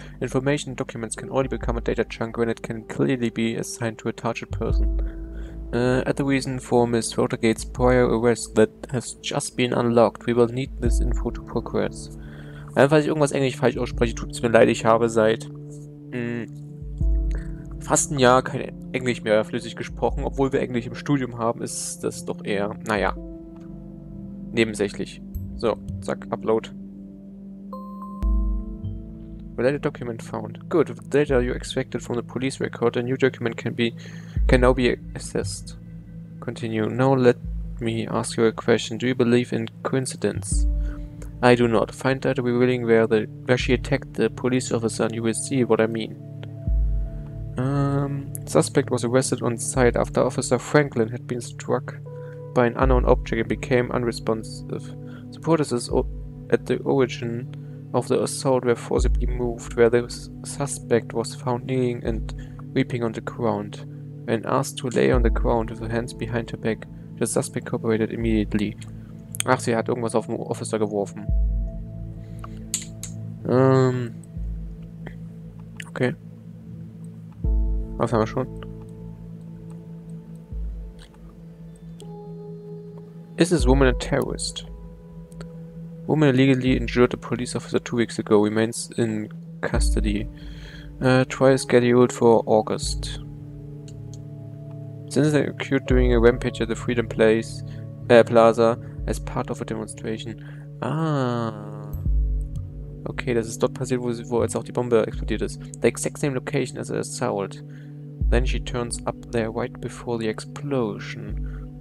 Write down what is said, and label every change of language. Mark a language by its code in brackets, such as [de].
[en] Information and documents can only become a data chunk when it can clearly be assigned to a target person. At the reason for Miss Watergate's prior arrest that has just been unlocked, we will need this info to progress. [de] Falls ich irgendwas Englisch falsch ausspreche, tut es mir leid, ich habe seit fast ein Jahr kein Englisch mehr flüssig gesprochen. Obwohl wir Englisch im Studium haben, ist das doch eher, naja, nebensächlich. So, zack, Upload. [en] Related document found. Good. With the data you extracted from the police record, a new document can now be accessed. Continue. Now let me ask you a question. Do you believe in coincidence? I do not. Find data revealing where she attacked the police officer and you will see what I mean. Suspect was arrested on site after Officer Franklin had been struck by an unknown object and became unresponsive. Supporters at the origin of the assault were forcibly moved, where the suspect was found kneeling and weeping on the ground, and asked to lay on the ground with her hands behind her back. The suspect cooperated immediately. [de] Ach, sie hat irgendwas auf den Officer geworfen. Okay. Was haben wir schon? [en] Is this woman a terrorist? Woman illegally injured a police officer 2 weeks ago, remains in custody. Trial scheduled for August. Since they occurred during a rampage at the Freedom Place, Plaza, as part of a demonstration. Ah. [de] Okay, das ist dort passiert, wo jetzt auch die Bombe explodiert ist. [en] The exact same location as the assault. Then she turns up there right before the explosion.